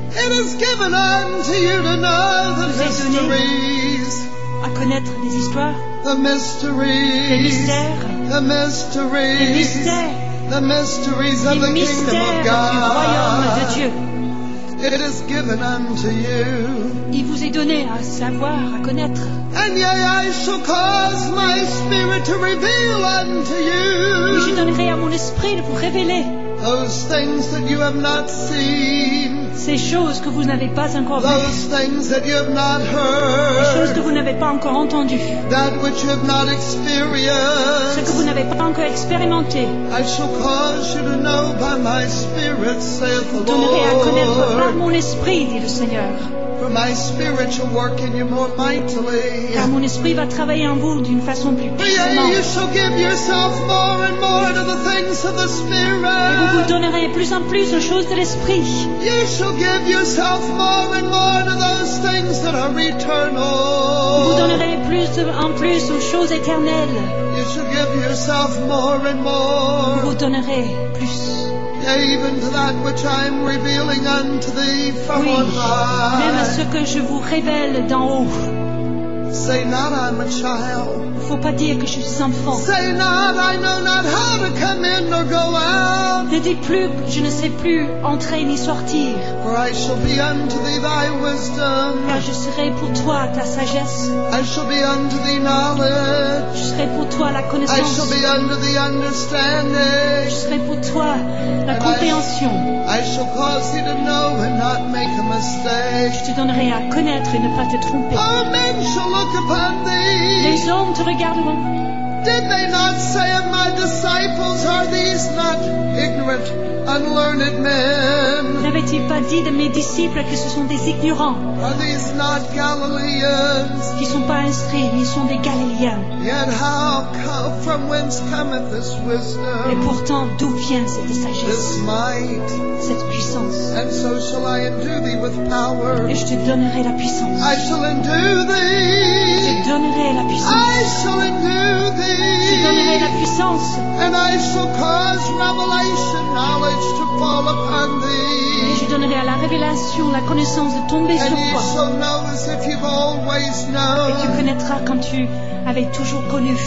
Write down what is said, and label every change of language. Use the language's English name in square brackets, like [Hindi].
[English] It is given unto you to know the mysteries. [French] À connaître les histoires. [English] The mysteries. [French] Les mystères. [English] The mysteries. [French] Les mystères. [English] The mysteries of [French] les [English] the kingdom of God. [French] Du royaume de Dieu. [English] It is given unto you. [French] Il vous est donné à savoir, à connaître. [English] And yea, I shall cause my spirit to reveal unto you. [French] Et je donnerai à mon esprit de vous révéler. [English] Those things that you have not seen. [French] Ces choses que vous n'avez pas encore vues. [English] Those things that you have not heard. [French] Les choses que vous n'avez pas encore entendues. [English] That which you have not experienced. [French] Ce que vous n'avez pas encore expérimenté. [English] I shall cause you to know by my spirit, saith the Lord. [French] Je donnerai à connaître par mon esprit, dit le Seigneur. [English] For my spirit shall work in you more mightily. [French] Car mon esprit va travailler en vous d'une façon plus puissante. [English] You shall give yourself more and more to the things of the spirit. [French] Et vous vous donnerez plus en plus aux choses de l'esprit. [English] You shall give yourself more and more to those things that are eternal. [French] Vous donnerez plus en plus aux choses éternelles. [English] You shall give yourself more and more. [French] Vous vous donnerez plus. [English] Even to that which I am revealing unto thee from [French] oui, [English] on high. [French] Même à ce que je vous révèle d'en haut. [English] Say not I'm a child. [French] Faut pas dire que je suis enfant. [English] Say not I know not how to come in or go out. [French] Ne dis plus je ne sais plus entrer ni sortir. [English] For I shall be unto thee thy wisdom. [French] Car je serai pour toi ta sagesse. [English] I shall be unto thee knowledge. [French] Je serai pour toi la connaissance. [English] I shall be unto thee understanding. [French] Je serai pour toi la compréhension. [English] I shall cause thee to know and not make a mistake. [French] Je te donnerai à connaître et ne pas te tromper. [English] Amen. Look upon thee. [French] Les hommes te regarderont. [English] Did they not say of my disciples, are these not ignorant, unlearned men? [French] N'avait-il pas dit de mes disciples que ce sont des ignorants? [English] Are these not Galileans? [French] Qui sont pas instruits, ils sont des Galiléens. [English] Yet how come, from whence cometh this wisdom? [French] Et pourtant, d'où vient cette sagesse? [English] This might. [French] Cette puissance. [English] And so shall I endue thee with power. [French] Et je te donnerai la puissance. [English] I shall endue thee. [French] Je te donnerai la puissance. [English] I shall endue thee. [French] Je donnerai la puissance. [English] And I shall cause revelation knowledge to fall upon thee. [French] Et je donnerai à la révélation la connaissance de tomber [English] and [French] sur toi. [English] Shall know as if you've always known. [French] Et tu connaîtras quand tu avais toujours connu.